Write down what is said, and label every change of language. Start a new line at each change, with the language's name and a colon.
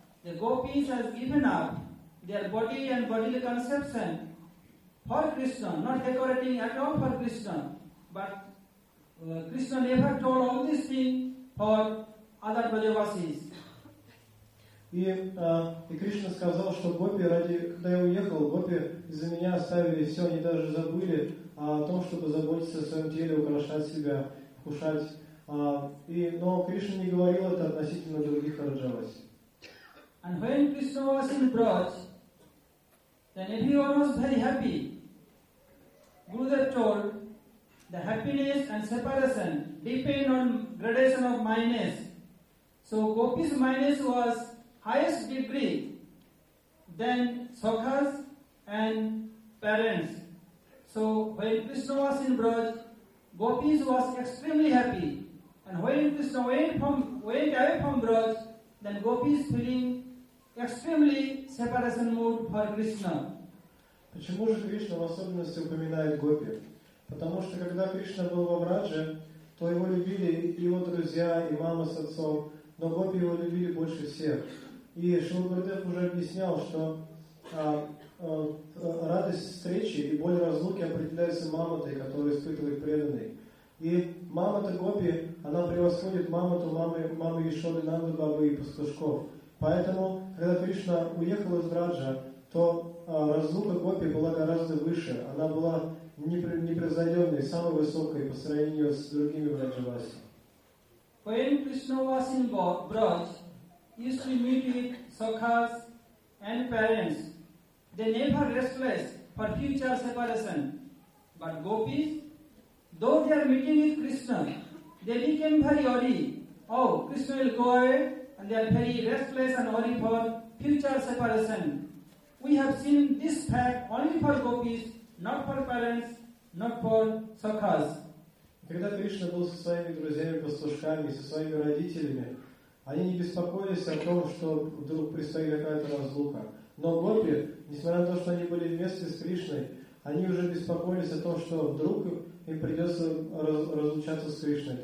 English: The gopis have given up their body and bodily conception for Krishna, not decorating at all for Krishna. But Krishna never told all these things for other Brajavasis.
Russian: И Кришна сказал, что гопи, ради, когда я уехал, гопи из-за меня оставили все, они даже забыли о том, чтобы заботиться о своем теле, украшать себя, кушать. Но Кришна не говорил это относительно других Раджаваси.
English: And when Krishna was in Braj, then everyone was very happy. Gurudev told, the happiness and separation depend on gradation of mindness. So Gopi's mindness was highest degree than Sakhas and parents. So when Krishna was in Braj, Gopi's was extremely happy. And when Krishna went away from Braj, then Gopi's feeling extremely separation mood for Krishna.
Russian: Почему же Кришна в особенности упоминает Гопи? Потому что когда Кришна был во Врадже, то его любили и его друзья, и мама с отцом, но Гопи его любили больше всех. И Шрила Гурудев уже объяснял, что радость встречи и боль разлуки определяется мамотой, которую испытывает преданный. И мамота Гопи, она превосходит мамоту мамы Яшоды, Нанды, Бабы и пастушков. Поэтому, когда Кришна уехал из Враджа, то разлука Гопи была гораздо выше. Она была непревзойденной, самой высокой по сравнению с другими Враджаваси.
English: When Krishna was in Braj, he used to meet with Sakhas and parents. They never restless for future separation. But Gopis, though they are meeting with Krishna, they became very worried. Oh, Krishna will go away. And they are very restless and worried for future separation. We have seen this fact only for gopis, not for parents, not for sakhas.
Russian: Когда Кришна был со своими друзьями, пастушками, со своими родителями, они не беспокоились о том, что вдруг предстоит какая-то разлука. Но гопи, несмотря на то, что они были вместе с Кришной, они уже беспокоились о том, что вдруг им придется разлучаться с Кришной.